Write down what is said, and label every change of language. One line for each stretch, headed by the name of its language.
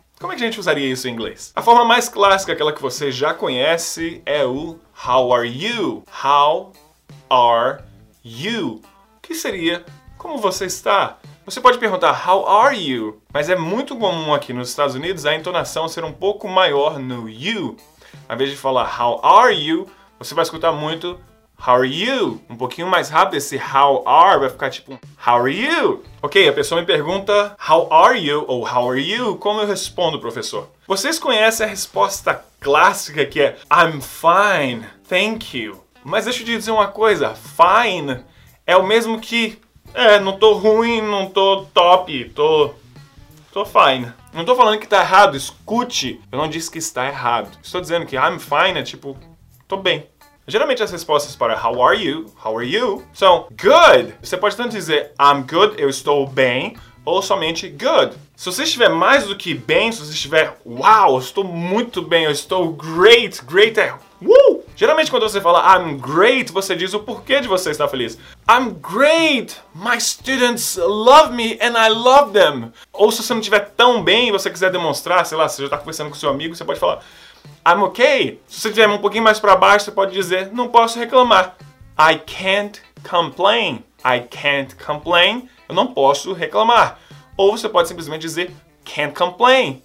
Portuguese: Como é que a gente usaria isso em inglês? A forma mais clássica, aquela que você já conhece, é o
English: how are you? How are you?
Portuguese: Que seria Como você está? Você pode perguntar
English: how are you?
Portuguese: Mas é muito comum aqui nos Estados Unidos a entonação ser um pouco maior no you. Ao invés de falar
English: how are you,
Portuguese: você vai escutar muito how are you? Um pouquinho mais rápido, esse how are vai ficar tipo
English: how are you?
Portuguese: Ok, a pessoa me pergunta
English: how are you
Portuguese: ou how are you? Como eu respondo, professor? Vocês conhecem a resposta clássica que é
English: I'm fine, thank you.
Portuguese: Mas deixa eu te dizer uma coisa, fine é o mesmo que não tô ruim, não tô top, tô fine. Não tô falando que tá errado, escute. Eu não disse que está errado. Estou dizendo que
English: I'm fine
Portuguese: é tipo, tô bem. Geralmente as respostas para
English: how are you,
Portuguese: são good. Você pode tanto dizer
English: I'm good,
Portuguese: eu estou bem, ou somente good. Se você estiver mais do que bem, se você estiver wow, eu estou muito bem, eu estou great, great é woo. Geralmente quando você fala
English: I'm great,
Portuguese: você diz o porquê de você estar feliz.
English: I'm great, my students love me and I love them.
Portuguese: Ou se você não estiver tão bem e você quiser demonstrar, sei lá, você já está conversando com seu amigo, você pode falar
English: I'm okay.
Portuguese: Se você estiver um pouquinho mais para baixo, você pode dizer não posso reclamar.
English: I can't complain. I can't complain.
Portuguese: Eu não posso reclamar. Ou você pode simplesmente dizer
English: can't complain.